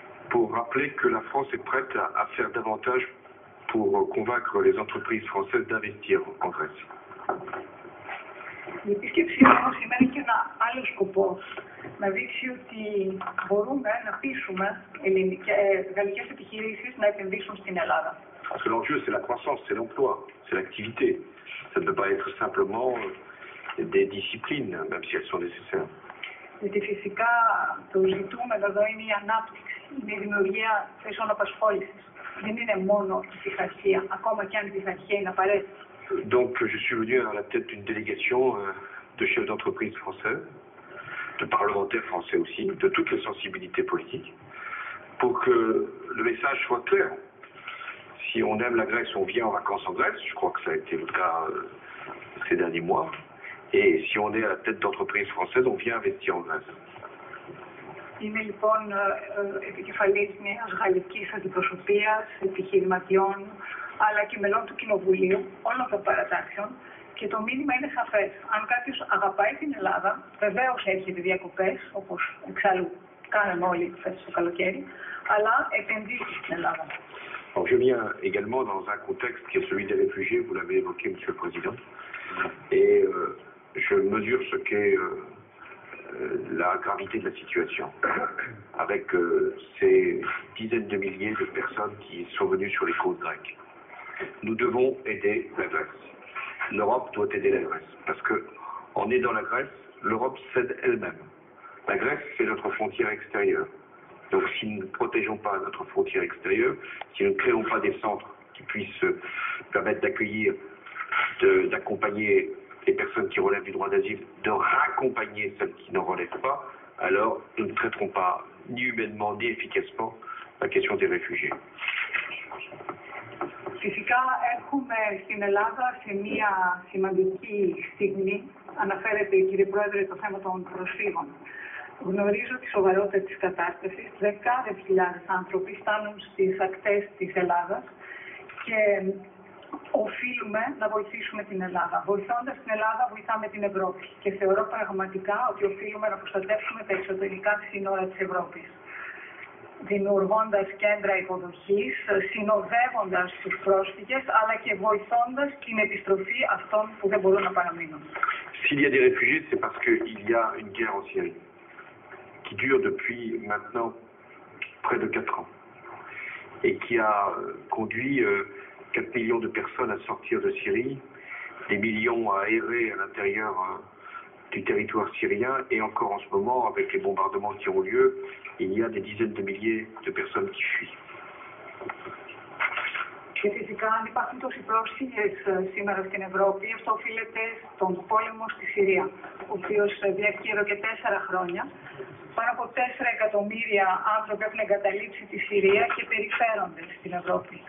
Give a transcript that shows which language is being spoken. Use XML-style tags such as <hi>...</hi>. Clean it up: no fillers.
<fr>Pour rappeler que la France est prête à faire davantage pour convaincre les entreprises françaises d'investir en Grèce.</fr> <el>L'επίσκεψη όμως σημαίνει και ένα άλλο σκοπό, να δείξει ότι μπορούμε να πείσουμε γαλλικές επιχειρήσεις να επενδύσουν στην Ελλάδα.</el> <fr>Parce que l'enjeu, c'est la croissance, c'est l'emploi, c'est l'activité. Ça ne peut pas être simplement des disciplines, même si elles sont nécessaires.</fr> <el>Γιατί φυσικά το ζητούμενο εδώ είναι η ανάπτυξη, είναι η δημιουργία θέσεων απασχόλησης. Δεν είναι μόνο η πειθαρχία, ακόμα και αν η πειθαρχία είναι απαραίτητη.</el> <fr>Donc, je suis venu à la tête d'une délégation de chefs d'entreprise français, de parlementaires français aussi, de toutes les sensibilités politiques, pour que le message soit clair. Si on aime la Grèce, on vient en vacances en Grèce, je crois que ça a été le cas ces derniers mois. Et si on est à la tête d'entreprise française, on vient investir en Grèce.</fr> <el>Είμαι λοιπόν επικεφαλής μιας γαλλικής αντιπροσωπείας, επιχειρηματιών, αλλά και μελών του κοινοβουλίου, όλων των παρατάξεων. Και το μήνυμα είναι σαφές. Αν κάποιος αγαπάει την Ελλάδα, βεβαίως έρχεται διακοπές, όπως εξάλλου κάναμε όλοι φέτος το καλοκαίρι, αλλά επενδύει στην Ελλάδα.</el> <fr>Alors, je viens également dans un contexte qui est celui des réfugiés, vous l'avez évoqué, Monsieur le Président, et je mesure ce qu'est la gravité de la situation, avec ces dizaines de milliers de personnes qui sont venues sur les côtes grecques. Nous devons aider la Grèce. L'Europe doit aider la Grèce, parce que en aidant la Grèce, l'Europe cède elle-même. La Grèce, c'est notre frontière extérieure. Donc si nous ne protégeons pas notre frontière extérieure, si nous ne créons pas des centres qui puissent permettre d'accueillir, d'accompagner les personnes qui relèvent du droit d'asile, de raccompagner celles qui n'en relèvent pas, alors nous ne traiterons pas ni humainement ni efficacement la question des réfugiés.</fr> <el>Φυσικά έχουμε στην Ελλάδα σε μία σημαντική στιγμή, αναφέρεται κύριε Πρόεδρε το θέμα των προσφύγων. Γνωρίζω τη σοβαρότητα της κατάστασης, δεκάδες χιλιάδες άνθρωποι φτάνουν στις ακτές της Ελλάδας και οφείλουμε να βοηθήσουμε την Ελλάδα. Βοηθώντας την Ελλάδα βοηθάμε την Ευρώπη και θεωρώ πραγματικά ότι οφείλουμε να προστατεύσουμε τα εξωτερικά σύνορα της Ευρώπης. Δημιουργώντας κέντρα υποδοχής, συνοδεύοντας τους πρόσφυγες, αλλά και βοηθώντας την επιστροφή αυτών που δεν μπορούν να παραμείνουν.</el> <fr>S'il y a des réfugiés, c'est parce qu'il y a une guerre en Syrie, qui dure depuis maintenant près de 4 ans, et qui a conduit 4 millions de personnes à sortir de Syrie, des millions à errer à l'intérieur du territoire syrien, et encore en ce moment, avec les bombardements qui ont lieu, il y a des dizaines de milliers de personnes qui fuient.</fr> <el>Και φυσικά αν υπάρχουν τόσοι πρόσφυγες σήμερα στην Ευρώπη, αυτό οφείλεται στον πόλεμο στη Συρία, ο οποίος διαρκεί εδώ και 4 χρόνια. Πάνω από 4 εκατομμύρια άνθρωποι έχουν εγκαταλείψει τη Συρία και περιφέρονται στην Ευρώπη.</el>